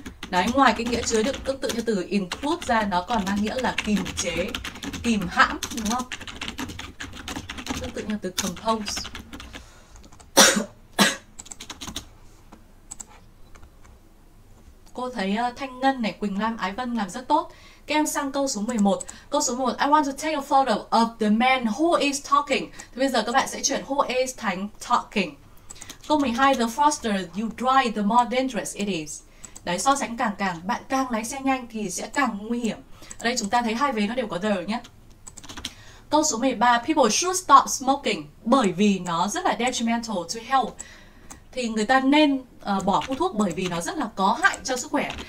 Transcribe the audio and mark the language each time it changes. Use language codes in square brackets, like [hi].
[vi] Đấy, ngoài cái nghĩa chứa đựng, tương tự như từ include ra nó còn mang nghĩa là kìm chế, kìm hãm, đúng không? Tương tự như từ compose. Cô thấy Thanh Ngân này, Quỳnh Lam, Ái Vân làm rất tốt. Các em sang câu số 11. Câu số 11, [en] I want to take a photo of the man who is talking. [vi] Thì bây giờ các bạn sẽ chuyển who is thành talking. Câu 12, [en] the faster you drive, the more dangerous it is. [vi] Đấy, so sánh càng, bạn càng lái xe nhanh thì sẽ càng nguy hiểm. Ở đây chúng ta thấy hai vế nó đều có the nhé. Câu số 13, [en] people should stop smoking [vi] bởi vì nó rất là [en] detrimental to health. [vi] thì người ta nên bỏ hút thuốc bởi vì nó rất là có hại cho sức khỏe.